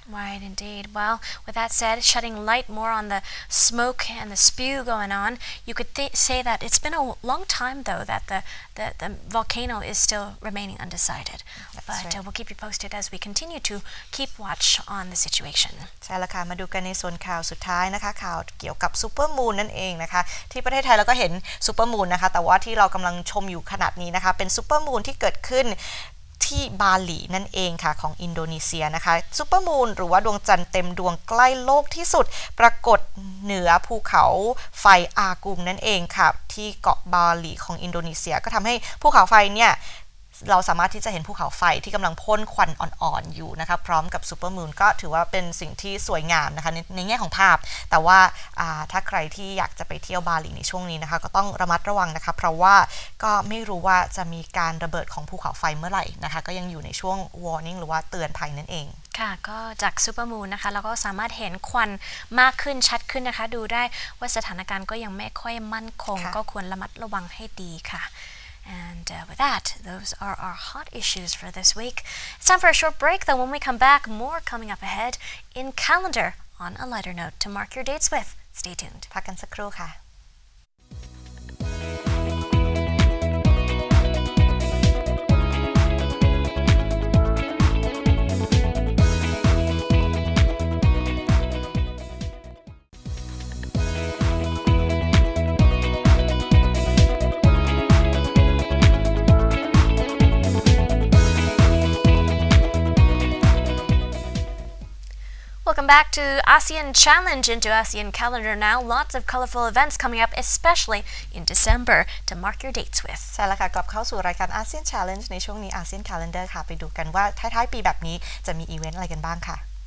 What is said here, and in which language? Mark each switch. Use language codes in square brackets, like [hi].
[en] Right, indeed. Well, with that said, shedding light more on the smoke and the spew going on, you could say that it's been a long time, though, that the volcano is still remaining undecided. That's but right. We'll keep you posted as we continue to keep watch on the situation. [th] ใช่แล้วค่ะมาดูกันในส่วนข่าวสุดท้ายนะคะข่าวเกี่ยวกับซูเปอร์มูนนั่นเองนะคะที่ประเทศไทยเราก็เห็นซูเปอร์มูนนะคะแต่ว่าที่เรากำลังชมอยู่ขนาดนี้นะคะเป็นซูเปอร์มูนที่เกิดขึ้น ที่บาหลีนั่นเองค่ะของอินโดนีเซียนะคะซูเปอร์มูนหรือว่าดวงจันทร์เต็มดวงใกล้โลกที่สุดปรากฏเหนือภูเขาไฟอากุมนั่นเองค่ะที่เกาะบาหลีของอินโดนีเซียก็ทำให้ภูเขาไฟเนี่ย เราสามารถที่จะเห็นภูเขาไฟที่กำลังพ่นควันอ่อนๆอยู่นะคะพร้อมกับซูเปอร์มูนก็ถือว่าเป็นสิ่งที่สวยงามนะคะในแง่ของภาพแต่ว่าถ้าใครที่อยากจะไปเที่ยวบาหลีในช่วงนี้นะคะก็ต้องระมัดระวังนะคะเพราะว่าก็ไม่รู้ว่าจะมีการระเบิดของภูเขาไฟเมื่อไหร่นะคะก็ยังอยู่ในช่วง warning หรือว่าเตือนภัยนั่นเอง ค่ะก็จากซูเปอร์มูนนะคะเราก็สามารถเห็นควันมากขึ้นชัดขึ้นนะคะดูได้ว่าสถานการณ์ก็ยังไม่ค่อยมั่นคงก็ควรระมัดระวังให้ดีค่ะ [en] And with that, those are our hot issues for this week. It's time for a short break, though. When we come back, more coming up ahead in calendar on a lighter note to mark your dates with. Stay tuned. [th] พักกันสักครู่ค่ะ [en] Welcome back to ASEAN Challenge into ASEAN Calendar now. Lots of colorful events coming up, especially in December, to mark your dates with. [th] ใช่แล้วค่ะกลับเข้าสู่รายการ ASEAN Challenge ในช่วงนี้ ASEAN Calendar ค่ะไปดูกันว่าท้ายๆปีแบบนี้จะมีอีเวนต์อะไรกันบ้างค่ะ